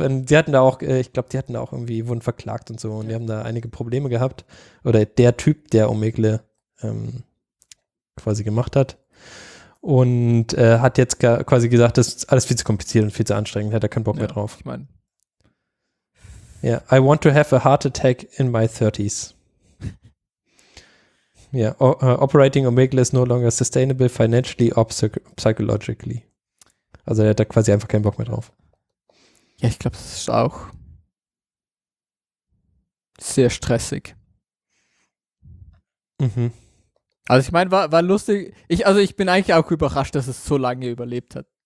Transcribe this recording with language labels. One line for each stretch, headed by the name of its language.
German: Und die hatten da auch, ich glaube, die hatten da auch irgendwie, wurden verklagt und so und die haben da einige Probleme gehabt. Oder der Typ, der Omegle quasi gemacht hat. Und hat jetzt quasi gesagt, das ist alles viel zu kompliziert und viel zu anstrengend, hat er keinen Bock mehr drauf. Ich meine.
English: Ja, yeah, I want to have a heart attack in my 30s. Ja, operating Omegle is no longer sustainable financially or psychologically.
German: Also er hat da quasi einfach keinen Bock mehr drauf. Ja, ich glaube, das ist auch sehr stressig. Mhm. Also ich meine, war lustig. Ich bin eigentlich auch überrascht, dass es so lange überlebt hat.